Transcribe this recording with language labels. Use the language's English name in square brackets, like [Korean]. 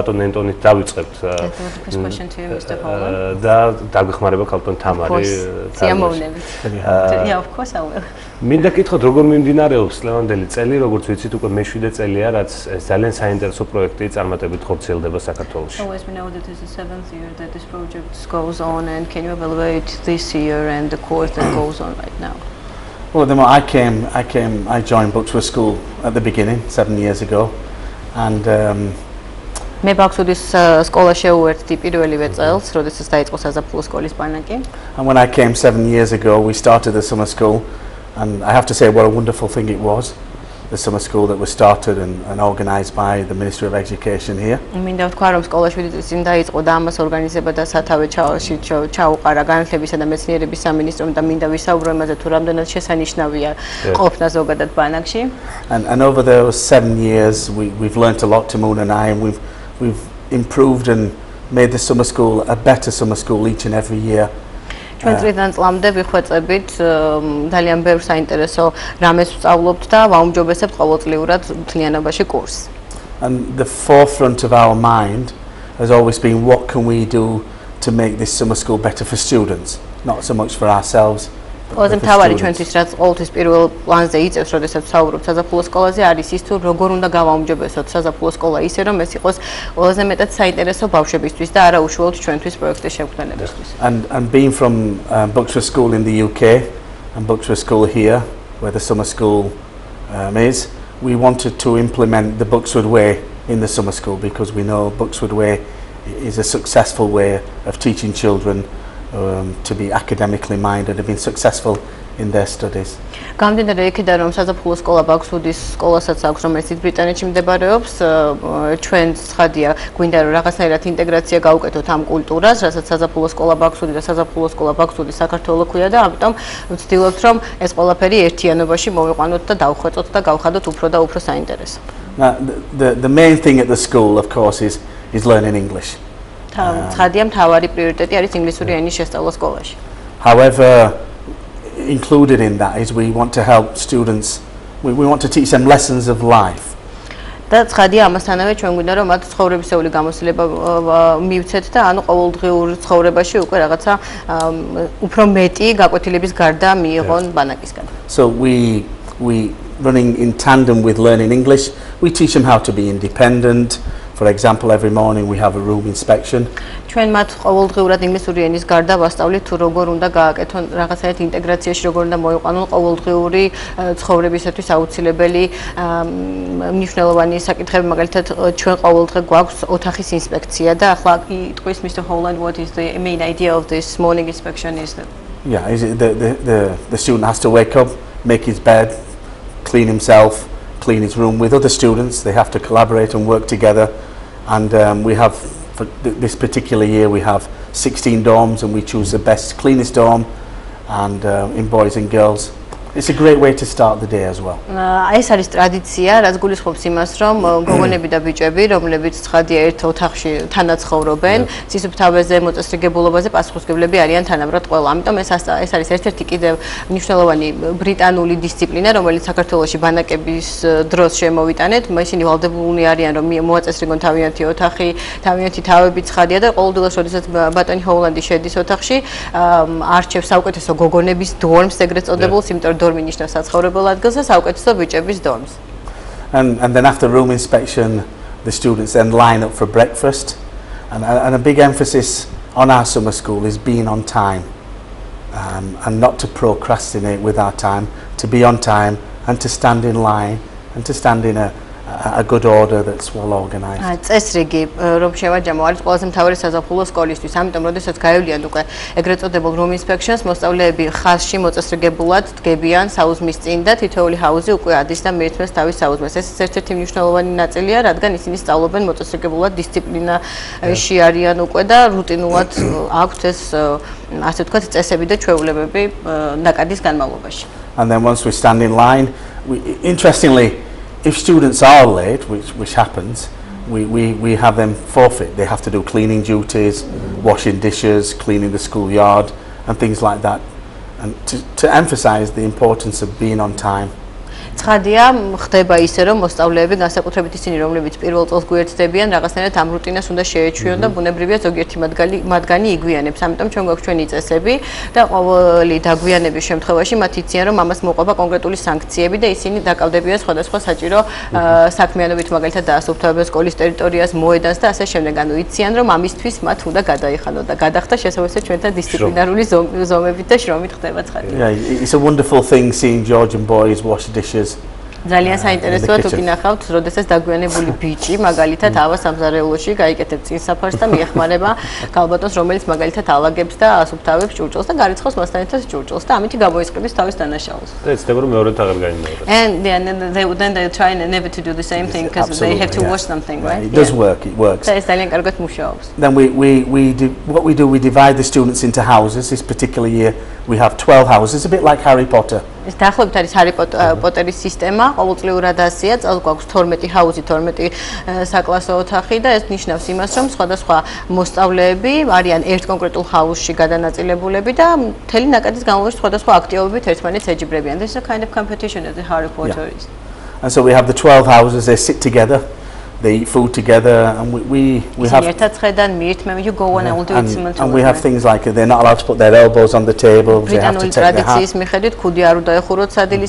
[Georgian] ბატონ ენტონით დავიწყებთ და დაგვეხმარება ქალთონი თამარი. მინდა გითხოთ, როგორ მიმდინარეობს სლევანდელი წელი, როგორც ვიცით, უკვე მე-7 წელია, რაც ეს ძალიან საინტერესო პროექტი წარმატებით ხორციელდება საქართველოში. [English] So as we know that this is the 7th year that this project goes on and can you evaluate this year and the course that goes on right now? Well, then I joined Buxwood School at the beginning 7 years ago and [Georgian] მე ბაქსუდის სკოლაში ვერთი პირველივე წელს, როდესაც დაიწყო საზაფხულო სკოლის ბანაკი. [English] And when I came 7 years ago, we started the summer school. And I have to say what a wonderful thing it was, the summer school that was started and organized by the Ministry of Education here. [Georgian] მინდა ვთქვა, რომ სკოლა 7 წელი დაიწყო და ამას ორგანიზება და სათავე ჩაუყარა განათლებისა და მეცნიერების სამინისტრომ და მინდა ვისაუბრო იმაზე, თუ რამდენად შესანიშნავია ყოფნა ზოგადად ბანაკში. [English] And over those 7 years we've learned a lot to Moon and I, and we've improved and made the summer school a better summer school each and every year. [Georgian] ჩვენ წლიდან წლამდე ვიხვეწებით ძალიან ბევრ საინტერესო რამეს ვსწავლობთ და ვაუმჯობესებთ ყოველწლიურად მთლიანობაში კურსს. [English] And the forefront of our mind has always been what can we do to make this summer school better for students, not so much for ourselves. [Georgian] ყველაზე მთავარი ჩვენთვის, რაც ყოველთვის პირველ პლანზე იწევს, როდესაც საუბრობთ საზაფხულო სკოლაზე, არის ის, თუ როგორ უნდა გავაუმჯობესოთ საზაფხულო სკოლა ისე, რომ ეს იყოს ყველაზე მეტად საინტერესო ბავშვებისთვის და არა უშუალოდ ჩვენთვის პროექტის შემქმნელებისთვის. [English] And being from Buxwood School in the UK and Buxwood School here, where the summer school is, we wanted to implement the Buxwood way in the summer school because we know Buxwood way is a successful way of teaching children to be academically minded and have been successful in their studies. [Georgian] გამდინარე იქიდან, რომ საზაფხულო სკოლა ბაქსუდის სკოლასაც აქვს, რომელიც დიდ ბრიტანეთში მდებარეობს, ჩვენ ცხადია, გვინდა რომ რაღაცნაირად ინტეგრაცია გაუკეთოთ ამ კულტურას, რასაც საზაფხულო სკოლა ბაქსუდი და საზაფხულო სკოლა ბაქსუდი საქართველოს ქვია და ამიტომ ვცდილობთ, რომ ეს ყველაფერი ერთიანობაში მოვიყვანოთ და დავხვეწოთ და გავხადოთ უფრო და უფრო საინტერესო. [English] The main thing at the school of course is learning English. [Georgian] ცხადია, მთავარი პრიორიტეტი არის ინგლისური ენის შესწავლა სკოლაში. [English] However, included in that is we want to help students, we want to teach them lessons of life. [Georgian] და ცხადია, ამასთანავე ჩვენ გვინდა რომ მათ ცხოვრებისეული გამოცდილება მივცეთ და ანუ ყოველდღიურ ცხოვრებაში უკვე რაღაცა უფრო მეტი გაკვეთილების გარდა მიიღონ ბანაკისგან. [English] So we running in tandem with learning English, we teach them how to be independent. For example, every morning we have a room inspection. [Georgian] ჩვენ მათ ყოველდღიურად ინგლისური ენის გარდა ვასწავლით, თუ როგორ უნდა გააკეთონ რაღაცაერთ ინტეგრაციაში, როგორ უნდა მოიყვანონ ყოველდღიური ცხოვრებისათვის აუცილებელი მნიშვნელოვანი საკითხები. მაგალითად, ჩვენ ყოველდღე გვაქვს ოთახის ინსპექცია და ახლა იტყვის Mr. [English] Holland, what is the main idea of this morning inspection is that? Yeah, is it the student has to wake up, make his bed, clean himself, clean his room with other students. They have to collaborate and work together, and we have for this particular year we have 16 dorms and we choose the best cleanest dorm and in boys and girls. It's a great way to start the day as well. [Georgian] ეს არის ტრადიცია, რაც გულისხმობს იმას, რომ გოგონები და ბიჭები, რომლებიც ცხადია ერთ ოთახში თანაცხოვრობენ, ციცუფთავეზე მოწესრიგებულობაზე პასუხისმგებლები არიან თანაბრად ყველა. ამიტომ ეს არის ერთ-ერთი კიდევ მნიშვნელოვანი ბრიტანული დისციპლინა, რომელიც საქართველოში ბანაკების დროს შემოვიტანეთ. ისინი ვალდებულნი არიან, რომ მოაწესრიგონ თავიანთი ოთახი, თავიანთი თავები ცხადია და ყოველდღე, როდესაც ბატონი ჰოულანდი შედის ოთახში, არჩევს საუკეთესო გოგონების დორმს, ეგრეთ წოდებულს, იმიტომ რომ დორმი ნიშნავს საცხოვრებელ ადგილს და საუკეთესო ბიჭების დორმს. [English] And then after room inspection the students then line up for breakfast and a big emphasis on our summer school is being on time and not to procrastinate with our time, to be on time and to stand in line and to stand in a good order that's well organized. [Georgian] Ეს რიგი რომ შევაჯამო არის ყველაზე მთავარი საზაფხულო სკოლისთვის. ამიტომ როდესაც გაევლიან უკვე ეგრეთ წოდებულ [English] room inspections, [Georgian] მოსწავლეები ხაზში მოწესრიგებულად დგებიან საუზმის წინ და თითოეული ჰაუზი უკვე ადის და მიირთმევს თავის საუზმეს. ეს ერთ-ერთი მნიშვნელოვანი ნაწილია, რადგან ისინი სწავლობენ მოწესრიგებულად, დისციპლინაში არიან უკვე და რუტინულად აქვთ ეს ასე ვთქვათ წესები და ჩვეულებები ნაკადის განმავლობაში. [English] And then once we stand in line, interestingly if students are late, which happens, we have them forfeit. They have to do cleaning duties, washing dishes, cleaning the schoolyard, and things like that. And to emphasize the importance of being on time. [Georgian] ცხადია, ხდება ისე, რომ მოსწავლეები განსაკუთრებით ისინი, რომლებიც პირველ წელს გვერდდებიან, რაღაცნაირად ამ რუტინას უნდა შეეჩვიონ და ბუნებრივია ზოგიერთი მათგანი იგვიანებს. ამიტომ ჩვენ გვაქვს ჩვენი წესები და ყოველი დაგვიანების შემთხვევაში მათ იციან, რომ ამას მოყვება კონკრეტული სანქციები და ისინი დაკავდებიან სხვადასხვა საჭირო საქმიანობით, მაგალითად დაასუფთავებენ სკოლის ტერიტორიას, მოედანს და ასე შემდეგ. ანუ იციან, რომ ამისთვის მათ უნდა გადაიხადონ და გადახდა შესაძლოა ჩვენთან დისციპლინარული ზომებით და შრომით ხდება ცხადია. [English] It's a wonderful thing seeing Georgian boys wash dishes. [Georgian] ძალიან საინტერესოა თუ გინახავთ, როდესაც დაგვიანებული ბიჭი მაგალითად ავა სამზარეულოში გაიკეთებს წინსაფარს და მიეხმარება ქალბატონს, რომელიც მაგალითად ალაგებს და ასუფთავებს ჭურჭელს და გარიცხავს მასთან ერთად ჭურჭელს და ამით გამოიყენებს თავის დანაშაულს. და ეცდება რომ მეორე თაღად გაიმეორებს. [English] And then they try never to do the same thing because they have to wash something, right? It does work, it works. [Georgian] და ეს ძალიან კარგად მუშაობს. [English] Then we do what we do, we divide the students into houses. This particular year we have 12 houses, a bit like Harry Potter. [Georgian] ეს დაახლოებით არის ჰარი პოტერის სისტემა, ყოველწლიურად 100-ია, წელს გვაქვს 12 ჰაუზი, 12 საკლასო ოთახი და ეს ნიშნავს იმას, რომ სხვადასხვა მოსწავლეები არიან ერთ კონკრეტულ ჰაუსში გადანაწილებულები და მთელი ნაკადის განმავლობაში სხვადასხვა აქტივობებით ერთმანეთს ეჯიბრებიან. [English] This is a kind of competition at the Harry Potter is. And so we have the 12 houses, they sit together. They eat food together and we have and we have things like they're not allowed to put their elbows on the table, they have to take their hat.